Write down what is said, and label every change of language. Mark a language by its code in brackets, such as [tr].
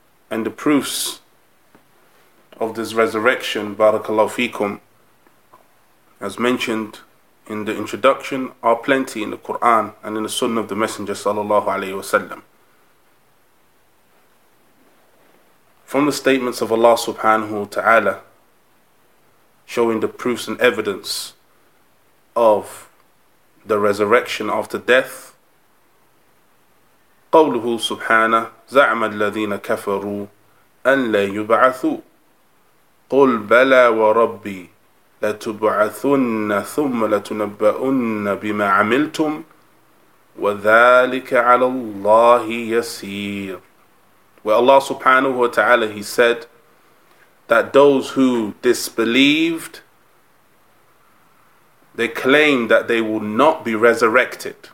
[en] And the proofs of this resurrection, barakallahu fikum, as mentioned in the introduction, are plenty in the Quran and in the Sunnah of the Messenger sallallahu alayhi wasallam. From the statements of Allah subhanahu wa ta'ala, showing the proofs and evidence of the resurrection after death. [ar] قوله سبحانه زعم الذين كفروا أن لا يبعثوا قل بلى وربي لتبعثن ثم لتنبؤن بما عملتم وذلك على الله يسير. [en] Where Allah subhanahu wa ta'ala, he said that those who disbelieved, they claim that they will not be resurrected.